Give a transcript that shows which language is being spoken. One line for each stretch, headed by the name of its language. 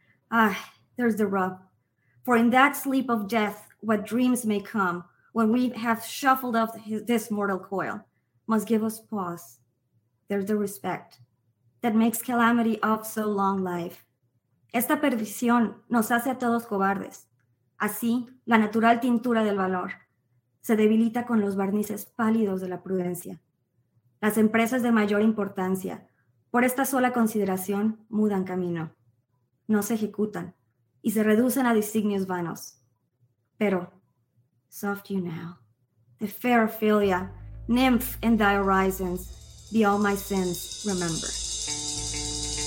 English: Ah, there's the rub. For in that sleep of death, what dreams may come, when we have shuffled off this mortal coil, must give us pause. There's the respect that makes calamity of so long life.
Spanish: Esta perdición nos hace a todos cobardes. Así, la natural tintura del valor se debilita con los barnices pálidos de la prudencia. Las empresas de mayor importancia, por esta sola consideración, mudan camino. No se ejecutan y se reducen a designios vanos. Pero,
English: soft you now, the fair Ophelia, nymph in thy horizons, be all my sins remembered.